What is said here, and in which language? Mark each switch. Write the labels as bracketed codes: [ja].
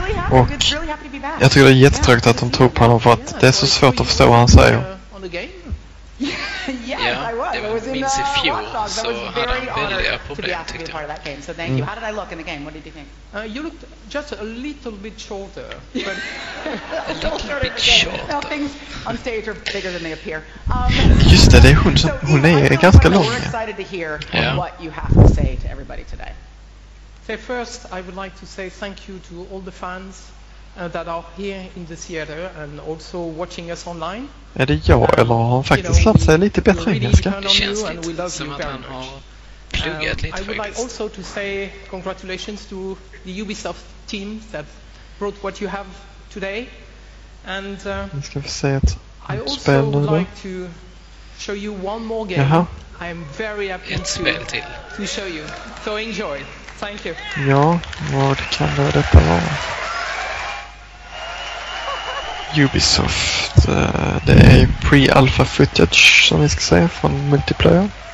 [sv] Och jag tycker det är jättetråkigt att de tog på honom, för att det är så svårt att förstå vad han säger. Ja, det var minst i fjol så hade han väldiga problem, tyckte jag. [en] How did I look in the game? What did you think? You looked just a little bit shorter. A little bit shorter. Now things on stage are bigger than they appear. [sv] Just det, hon är ganska lång. [en] We're excited to hear what you have to say to everybody today. First, I would like to say thank you to all the fans that are here in the theater and also watching us online. [sv] Är det jag eller har han faktiskt lärt sig lite bättre engelska? Det känns lite som att han har pluggat lite faktiskt. [en] I would like also to say congratulations to the Ubisoft team that brought what you have today. And [sv] nu ska vi se ett spel nu då. [en] I also would like to show you one more game. [sv] Jaha. [en] I am very happy to show you. So enjoy. Thank you. [sv] Ja, vad kan det detta vara? Ubisoft. Det är pre-alpha footage som vi ska säga från multiplayer.